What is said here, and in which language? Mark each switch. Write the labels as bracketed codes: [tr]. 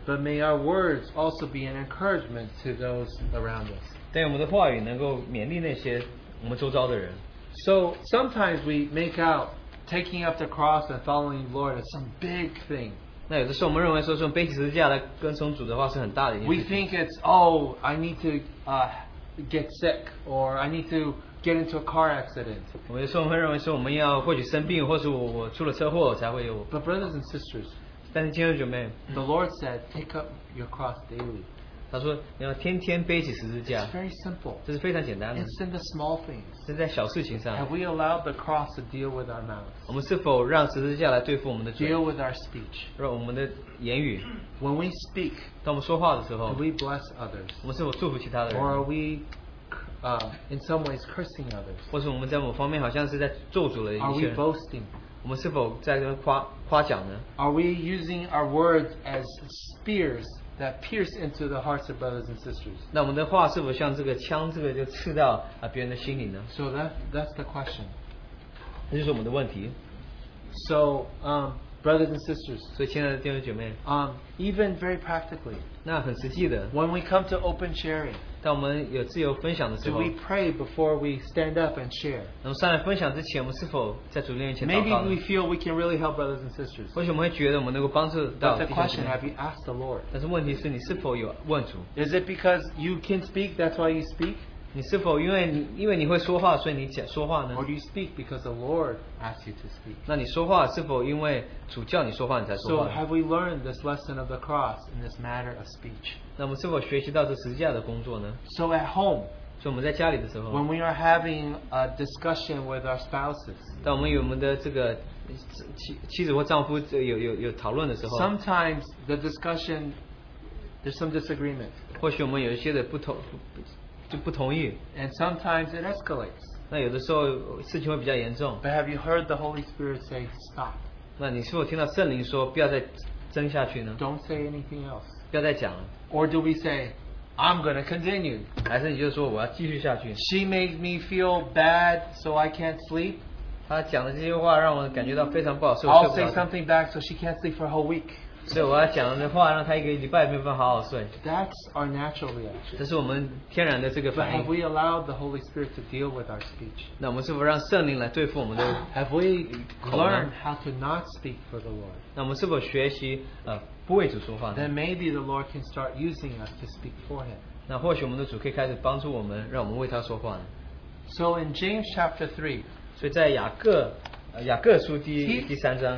[en] But may our words also be an encouragement to those around us. [zh] 但愿我们的话语能够勉励那些我们周遭的人。 [en] So sometimes we make out taking up the cross and following the Lord as some big thing. [zh] 那有的时候我们认为说用背起十字架来跟从主的话是很大的一件事情。 [en] We think it's, oh, I need to get sick, or I need to get into a car accident. [zh] 我们认为说我们要或许生病或是我出了车祸才会有。 [en] But brothers and sisters, [zh] 但是亲爱的姐妹, [en] the Lord said, take up your cross daily. [zh] 他说你要天天背起十字架, [en] it's very simple. [zh] 这是非常简单的, [en] it's in the small things. [zh] 是在小事情上, [en] have we allowed the cross to deal with our mouths? [zh] 我们是否让十字架来对付我们的嘴, [en] deal with our speech? [zh] 让我们的言语, [en] when we speak, [zh] 当我们说话的时候, [en] do we bless others? [zh] 我们是否祝福其他的人? [en] Or are we in some ways cursing others? [zh] 或是我们在某方面好像是在咒诅了一些, [en] are we boasting? [zh] 我们是否在那边夸奖呢? [en] Are we using our words as spears that pierce into the hearts of brothers and sisters? [zh] 那我们的话是否像这个枪这个就刺到别人的心里呢? [en] So that's the question. [zh] 这就是我们的问题。 [en] So, brothers and sisters, [zh] 所以亲爱的弟兄姐妹, [en] even very practically, [zh] 那很实际的, [en] when we come to open sharing, [zh] 当我们有自由分享的时候, [en] do we pray before we stand up and share? [zh] 那么上来分享之前, [en] maybe we feel we can really help brothers and sisters. But the question, have you asked the Lord? [zh] 但是问题是你是否有问主? [en] Is it because you can speak, that's why you speak? [zh] 你是否因为你会说话所以你讲说话呢? [en] Or do you speak because the Lord asks you to speak? [zh] 那你说话是否因为主叫你说话你才说话? [en] So have we learned this lesson of the cross in this matter of speech? [zh] 那我们是否学习到这十字架的工作呢? [en] So at home, [zh] 所以我们在家里的时候, [en] when we are having a discussion with our spouses, [zh] 当我们与我们的这个妻子或丈夫有讨论的时候, [en] sometimes the discussion, there's some disagreement. [zh] 或许我们有一些的不同, 就不同意, [en] and sometimes it escalates. [zh] 那有的时候事情会比较严重, [en] but have you heard the Holy Spirit say stop? [zh] 那你是否听到圣灵说不要再争下去呢? [en] Don't say anything else. [zh] 不要再讲了。 [en] Or do we say, I'm going to continue? [zh] 还是你就说我要继续下去。 [en] She made me feel bad so I can't sleep. [zh] 她讲的这些话让我感觉到非常不好, [en] I'll say something back so she can't sleep for a whole week. [zh] 所以我要讲的话让他一个礼拜没有办法好好睡。 [en] That's our natural reaction. [zh] 这是我们天然的这个反应。 [en] But have we allowed the Holy Spirit to deal with our speech? [zh] 那我们是否让圣灵来对付我们的, [en] have we learned how to not speak for the Lord? [zh] 那我们是否学习, 不为主说话? [en] Then maybe the Lord can start using us to speak for Him. [zh] 那或许我们的主可以开始帮助我们, 让我们为他说话呢? [en] So in James chapter 3, [zh] 所以在雅各, 雅各书第三章,